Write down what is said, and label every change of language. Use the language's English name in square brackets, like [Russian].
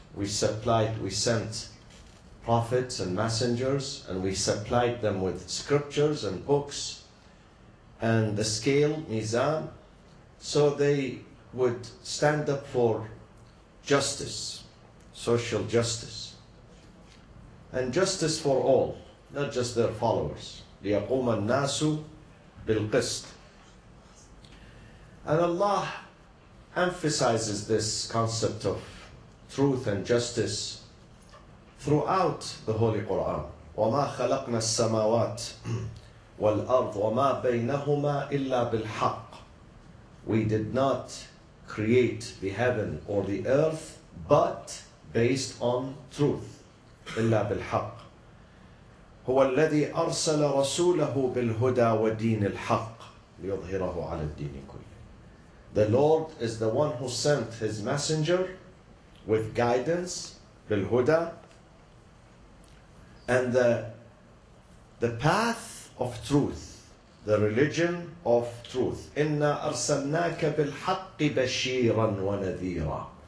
[English] We sent prophets and messengers, and we supplied them with scriptures and books and the scale, Mizan, so they would stand up for justice, social justice, and justice for all, not just their followers. [Arabic] لِيَقُومَ النَّاسُ بِالْقِسْطِ. [English] And Allah emphasizes this concept of truth and justice throughout the Holy Quran. [Arabic] وَمَا خَلَقْنَا السَّمَاوَاتِ والأرض وما بينهما إلا بالحق. [English] We did not create the heaven or the earth but based on truth. [Arabic] إلا بالحق. هو الذي أرسل رسوله بالهدى ودين الحق ليظهره على الدين كله. [English] The Lord is the one who sent His messenger with guidance, بالهدى, and the path of truth, the religion of truth. [Arabic] Inna arsalnaka bilhaqqi bashiran wa nadhira.